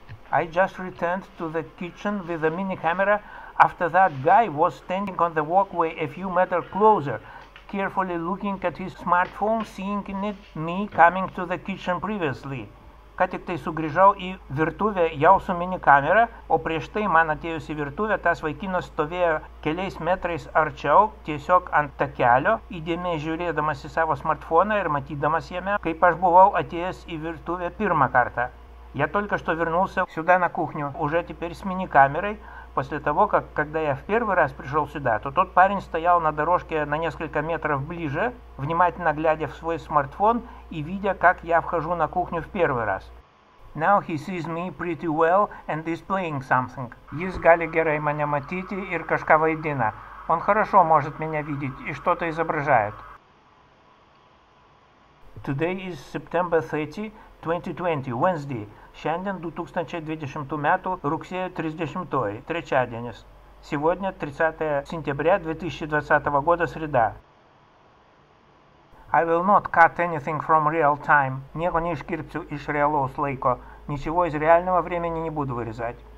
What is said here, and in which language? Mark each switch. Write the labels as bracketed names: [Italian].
[English] I just returned to the kitchen with a mini camera after that guy was standing on the walkway a few meters closer, carefully looking at his smartphone, seeing it me coming to the kitchen previously. [Lithuanian] Ką tik tai sugrįžau į virtuvę jau su mini kamera, o prieš tai man atėjus į virtuvę, tas vaikinas stovėjo keliais metrais arčiau, tiesiog ant takelio, įdėmiai žiūrėdamas į savo smartfoną ir matydamas jame, kaip aš buvau atėjęs į virtuvę pirmą kartą. [Russian] Я только что вернулся сюда на кухню, уже теперь с мини-камерой. После того, как когда я в первый раз пришел сюда, то тот парень стоял на дорожке на несколько метров ближе, внимательно глядя в свой смартфон и видя, как я вхожу на кухню в первый раз. [English] Now he sees me pretty well and is playing something. [Lithuanian] Jis gali gerai mane matyti ir kažką vaidina. [Russian] Он хорошо может меня видеть и что-то изображает. [English] Today is September 30, 2020, Wednesday. [Lithuanian] Šiandien 2020 metų rugsėjo 30-oji, trečiadienis. [Russian] Сегодня 30 сентября 2020 года, среда. [English] I will not cut anything from real time. [Lithuanian] Nieko neiškirpsiu iš realaus laiko. [Russian] Ничего из реального времени не буду вырезать.